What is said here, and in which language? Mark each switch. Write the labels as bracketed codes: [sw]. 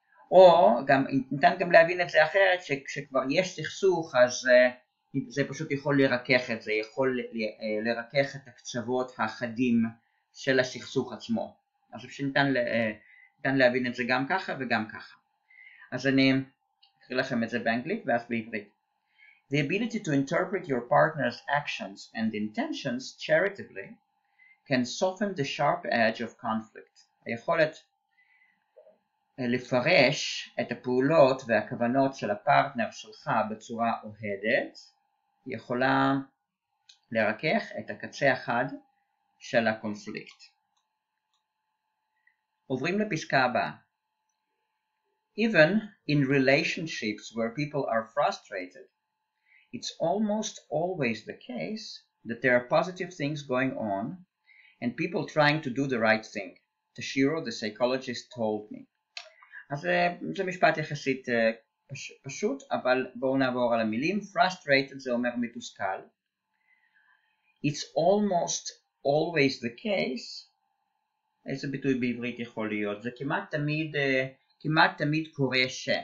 [he] או, גם, ניתן גם להבין את זה אחרת, שכשכבר יש סכסוך, אז זה פשוט יכול לרכך את זה, יכול לרכך את הקצוות האחדים של השכסוך עצמו. אז שניתן להבין את זה גם ככה וגם ככה. אז אני אקריא לכם את זה באנגלית ואז בעברית. [en] The ability to interpret your partner's actions and intentions charitably can soften the sharp edge of conflict. [he] היכולת לפרש את הפעולות והכוונות של הפרטנר שלך בצורה אוהדת יכולה לרכך את הקצה אחד של הקונפליקט. עוברים לפסקה הבאה. [en] Even in relationships where people are frustrated, it's almost always the case that there are positive things going on and people trying to do the right thing. Toshiro, the psychologist, told me. [he] אז זה משפט יחסית פשוט, אבל בואו נעבור על המילים. Frustrated זה אומר מתוסכל. [en] It's almost always the case. [he] איזה ביטוי בעברית יכול להיות? זה כמעט תמיד, כמעט תמיד קורה ש.